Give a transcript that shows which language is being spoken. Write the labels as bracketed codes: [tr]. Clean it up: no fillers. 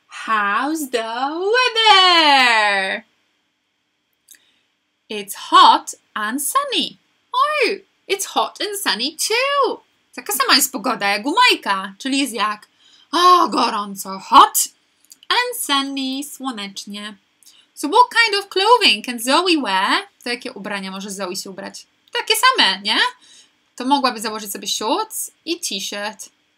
[en] How's the weather? It's hot and sunny. Oh, it's hot and sunny too. [pl] Taka sama jest pogoda jak u Majka, czyli jest jak gorąco, [en] hot and sunny, [pl] słonecznie. [en] So what kind of clothing can Zoe wear? [pl] To jakie ubrania może Zoe się ubrać? Takie same, nie? To mogłaby założyć sobie shorts i t-shirt.